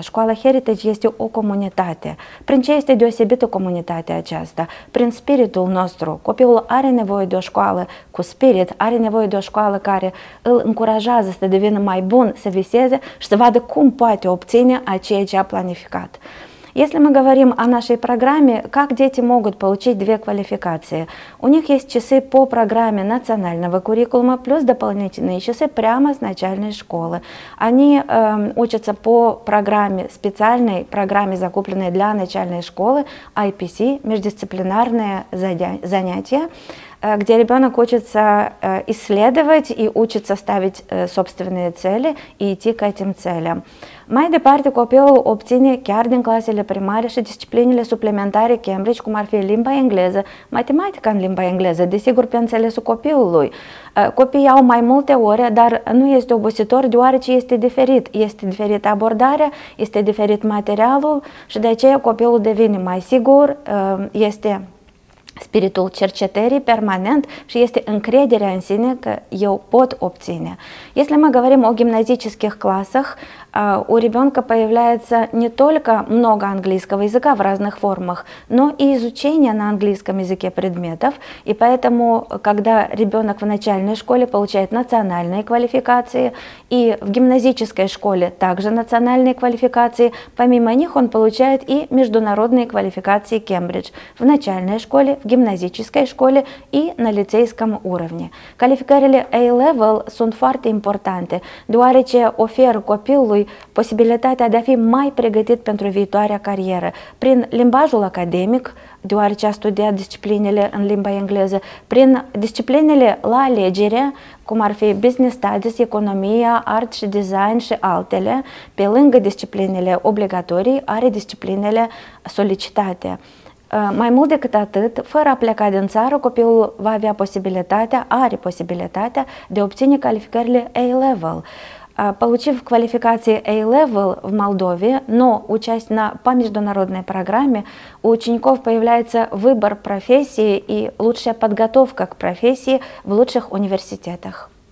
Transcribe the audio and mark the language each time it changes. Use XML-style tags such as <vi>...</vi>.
<ro>Școala Heritage este o comunitate. Prin ce este deosebită comunitatea aceasta? Prin spiritul nostru. Copilul are nevoie de o școală cu spirit, are nevoie de o școală care îl încurajează să devină mai bun, să viseze și să vadă cum poate obține ceea ce a planificat.</ro> <ru>Если мы говорим о нашей программе, как дети могут получить две квалификации? У них есть часы по программе национального куррикулума плюс дополнительные часы прямо с начальной школы. Они учатся по программе, специальной программе, закупленной для начальной школы, IPC, междисциплинарное занятие, где ребенок учится исследовать и учится ставить собственные цели и идти к этим целям.</ru> <ro>Mai departe, copilul obține chiar din clasele primare și disciplinele suplimentare Cambridge, cum ar fi limba engleză, matematica în limba engleză, desigur pe înțelesul copilului. Copiii au mai multe ore, dar nu este obositor deoarece este diferit. Este diferit abordarea, este diferit materialul și de aceea copilul devine mai sigur, este spiritul cercetării permanent și este încrederea în sine că eu pot obține.</ro> <ru>Если мы говорим о гимназических классах, у ребенка появляется не только много английского языка в разных формах, но и изучение на английском языке предметов. И поэтому, когда ребенок в начальной школе получает национальные квалификации, и в гимназической школе также национальные квалификации, помимо них он получает и международные квалификации Кембридж в начальной школе, в гимназической школе и на лицейском уровне.</ru> <ro>Квалификации A-Level sunt foarte importante, deoarece oferă copilului posibilitatea de a fi mai pregătit pentru viitoarea carieră prin limbajul academic, deoarece a studiat disciplinele în limba engleză, prin disciplinele la alegere, cum ar fi business studies, economia, art și design și altele, pe lângă disciplinele obligatorii, are disciplinele solicitate. Mai mult decât atât, fără a pleca din țară, copilul va avea posibilitatea, are posibilitatea de a obține calificările A-Level.</ro> <ru>Получив квалификации A-Level в Молдове, но участь по международной программе, у учеников появляется выбор профессии и лучшая подготовка к профессии в лучших университетах.</ru>